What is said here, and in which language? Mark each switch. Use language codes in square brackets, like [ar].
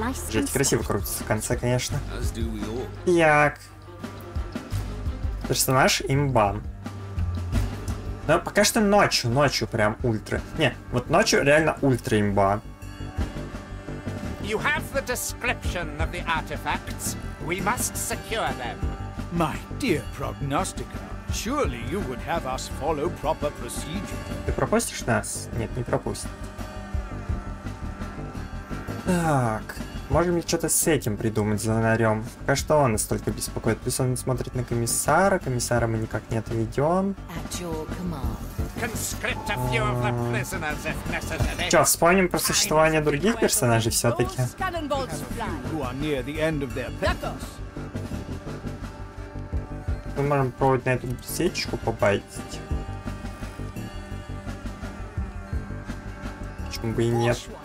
[ru] Жесть, красиво крутится в конце, конечно. Як. Персонаж имба. Но пока что ночью прям ультра. Не, вот ночью реально ультра имба. [en] You have the description of the artifacts. We must secure them. My dear prognosticator. Surely you would have us follow proper procedure. [ru] Ты пропустишь нас? Нет, не пропустит. Так, можем ли что-то с этим придумать, звонарем? Пока что он нас только беспокоит. Плюс он смотрит на комиссара. Комиссара мы никак не отведем. Че, вспомним про существование других персонажей все-таки? [en] Who are near the end of their purpose. [ru] Мы можем пробовать на эту сеточку попасть. Почему бы и нет?